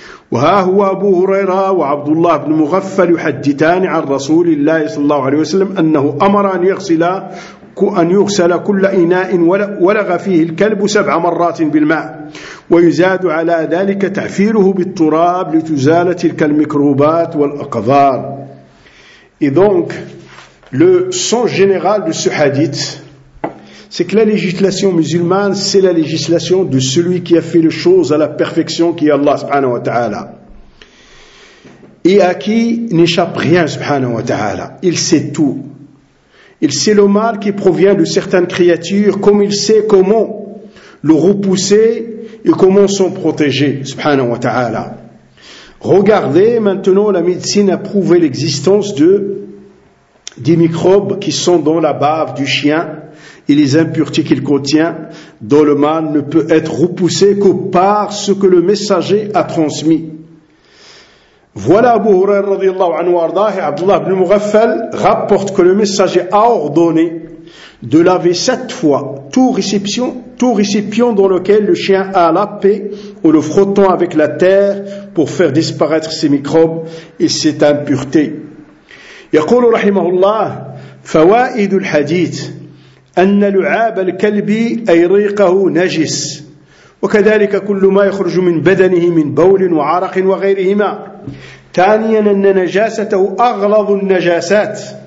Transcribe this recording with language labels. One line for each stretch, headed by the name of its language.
Arabic: وها هو أبو هريرة وعبد الله بن مغفل يحدثان عن رسول الله صلى الله عليه وسلم أنه أمر أن يغسل أن يغسل كل إناء ولغ فيه الكلب 7 مرات بالماء، ويزاد على ذلك تعفيره بالتراب لتزالة تلك الميكروبات والأقذار.
French: إذن le sens général de ce hadith, c'est que la législation musulmane, c'est la législation de celui qui a fait les choses à la perfection, qui est Allah subhanahu wa ta'ala, et à qui n'échappe rien subhanahu wa ta'ala. Il sait tout. Il sait le mal qui provient de certaines créatures, comme il sait comment le repousser et comment s'en protéger subhanahu wa ta'ala. Regardez, maintenant la médecine a prouvé l'existence de des microbes qui sont dans la bave du chien, et les impuretés qu'il contient dans le mal ne peut être repoussé que par ce que le messager a transmis. Voilà Abu Hurayra radiallahu anhu arda, et Abdullah ibn Mughaffal rapporte que le messager a ordonné de laver 7 fois tout récipient dans lequel le chien a lapé, en le frottant avec la terre pour faire disparaître ses microbes et ses impuretés.
Arabic: يقول رحمه الله فوائد الحديث أن لعاب الكلب أي ريقه نجس، وكذلك كل ما يخرج من بدنه من بول وعرق وغيرهما. ثانيا أن نجاسته أغلظ النجاسات.